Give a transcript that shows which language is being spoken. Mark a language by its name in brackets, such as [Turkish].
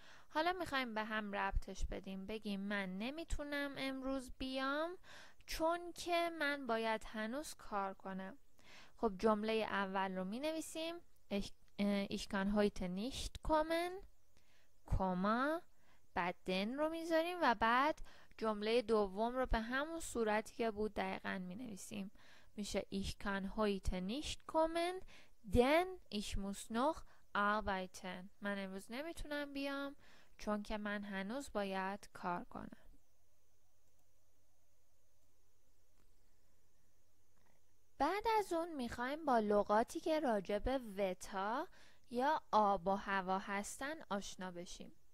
[Persian] حالا میخواییم به هم ربطش بدیم، بگیم من نمیتونم امروز بیام چون که من باید هنوز کار کنم. خب جمله اول رو می نویسیم [German] Ich kann heute nicht kommen، [Persian] بعد den رو می زاریم و بعد جمله دوم رو به همون صورتی که بود دقیقا می نویسیم. [German] میشه Ich kann heute nicht kommen، den ich muss noch arbeiten. [Persian] من امروز نمیتونم بیام چون که من هنوز باید کار کنم. بعد از اون میخوایم با لغاتی که راجب وتا یا آب و هوا هستن آشنا بشیم.